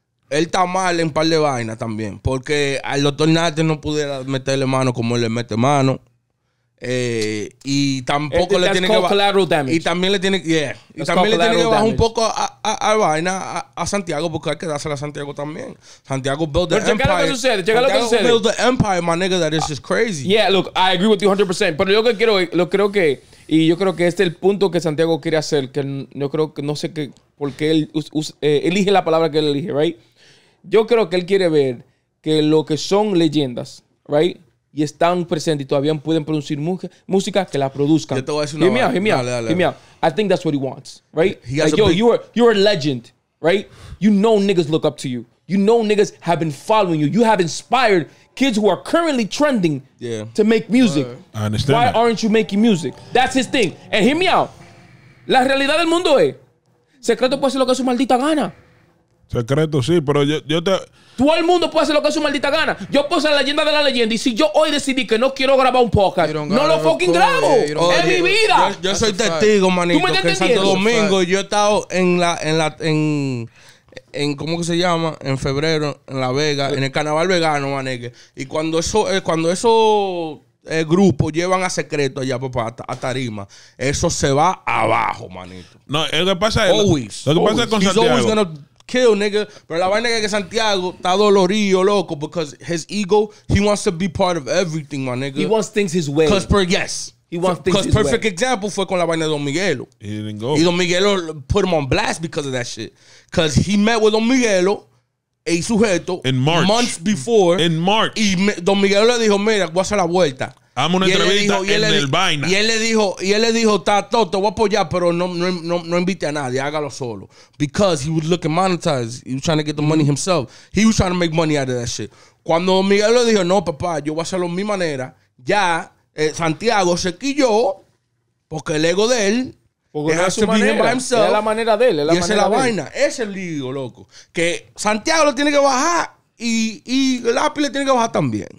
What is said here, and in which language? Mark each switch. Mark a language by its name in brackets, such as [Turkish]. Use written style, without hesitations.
[Spanish] Él está mal en un par de vainas también. Porque al doctor Nate no pudiera meterle mano como él le mete mano. Y tampoco le tiene que bajar. [English] Collateral damage. [Spanish] Y también le tiene, yeah. Y también le tiene que bajar un poco a vaina a Santiago, porque hay que dársela a Santiago también. [English] Santiago built the empire. [Spanish] Pero checa lo que sucede. Checa lo que sucede. [English] Built the empire, my nigga, that is just crazy. Yeah, look, I agree with you 100%. [Spanish] Pero yo que quiero, lo creo que, y yo creo que este es el punto que Santiago quiere hacer, que yo creo que no sé qué, porque él elige la palabra que él elige, right? Yo creo que él quiere ver que lo que son leyendas, right? Y están presentes y todavía pueden producir música que la produzcan. Yo te voy a decir una [English] vez. Hear me out, hear me out. I think that's what he wants, right? He like, yo, you're a legend, right? You know niggas look up to you. You know niggas have been following you. You have inspired kids who are currently trending to make music. I understand. Why aren't you making music? That's his thing. And hear me out. [Spanish] La realidad del mundo es, Secreto puede hacer lo que su maldita gana. Secreto, sí, pero yo te... Todo el mundo puede hacer lo que es su maldita gana. Yo puedo ser la leyenda de la leyenda. Y si yo hoy decidí que no quiero grabar un podcast, no lo fucking grabo. Es mi vida. Yo soy testigo, manito. ¿Tú me estás entendiendo? Santo Domingo, yo he estado en ¿cómo que se llama? En febrero, en La Vega, en el carnaval vegano, manique. Y cuando eso grupos llevan a Secreto allá, papá, a Tarima, eso se va abajo, manito. No, es lo que pasa. [English] Always. [Spanish] Lo que pasa es con Santiago. [English] Kill, nigga. [Spanish] Pero la vaina es que Santiago está dolorido, loco, [English] because his ego, he wants to be part of everything, my nigga. He wants things his way. Cause per, yes. He wants things his way. Cause perfect example [Spanish] fue con la vaina de Don Miguelo. [English] He didn't go. Y Don Miguelo put him on blast because of that shit. Cause he met with Don Miguelo [Spanish] e sujeto [English] in March. Months before. In March. [Spanish] Y Don Miguelo le dijo, mira, voy a hacer la vuelta. Dame una entrevista en el vaina. Y él le dijo, Tato, te voy a apoyar, pero no invite a nadie, hágalo solo. [English] Because he was looking monetized. He was trying to get the money himself. He was trying to make money out of that shit. [Spanish] Cuando Miguel le dijo, no, papá, yo voy a hacerlo mi manera, ya Santiago se quilló porque el ego de él es su manera. Es la manera de él. Y esa es la vaina. Ese es el lío, loco. Que Santiago lo tiene que bajar. Y el lápiz le tiene que bajar también.